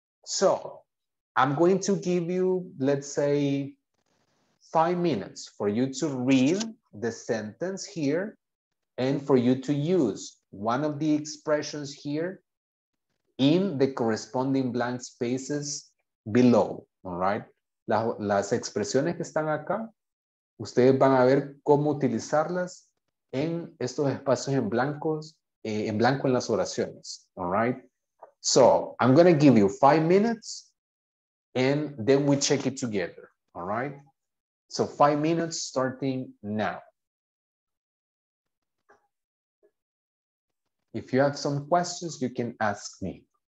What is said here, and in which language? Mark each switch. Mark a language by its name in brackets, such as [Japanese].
[English] So I'm going to give you, let's say, 5 minutes for you to read the sentence here and for you to use one of the expressions here in the corresponding blank spaces below, all right? [Spanish] Las expresiones que están acá, ustedes van a ver cómo utilizarlas en estos espacios en blancos, en blanco en las oraciones, all right? [English] So I'm going to give you 5 minutes and then we check it together, all right? So 5 minutes starting now. If you have some questions, you can ask me.